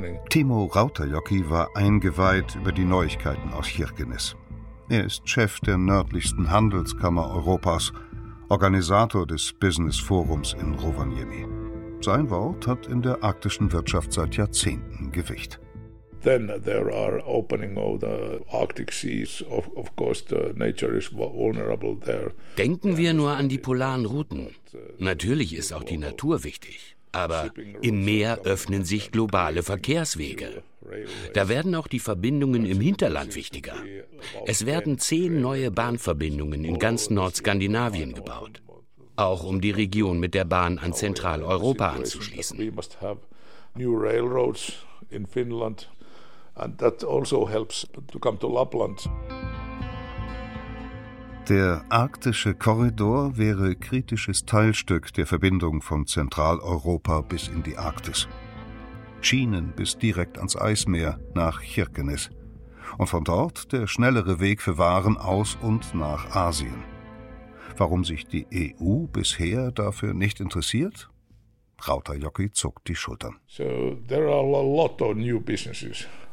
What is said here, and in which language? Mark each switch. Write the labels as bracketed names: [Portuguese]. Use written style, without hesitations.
[German] Timo Rautajoki war eingeweiht über die Neuigkeiten aus Kirkenes. Er ist Chef der nördlichsten Handelskammer Europas, Organisator des Business Forums in Rovaniemi. Sein Wort hat in der arktischen Wirtschaft seit Jahrzehnten Gewicht. [English] Then there are opening of the Arctic seas. Of course, the nature is vulnerable there. [German] Denken wir nur an die polaren Routen. Natürlich ist auch die Natur wichtig. Aber im Meer öffnen sich globale Verkehrswege. Da werden auch die Verbindungen im Hinterland wichtiger. Es werden 10 neue Bahnverbindungen in ganz Nordskandinavien gebaut. Auch um die Region mit der Bahn an Zentraleuropa anzuschließen. [English] We must have new railroads in Finland. And that also helps to come to Lapland. [German] Der arktische Korridor wäre kritisches Teilstück der Verbindung von Zentraleuropa bis in die Arktis. Schienen bis direkt ans Eismeer nach Kirkenes. Und von dort der schnellere Weg für Waren aus und nach Asien. Warum sich die EU bisher dafür nicht interessiert? Rautajoki zuckt die Schultern. [English] So, there are a lot of new businesses.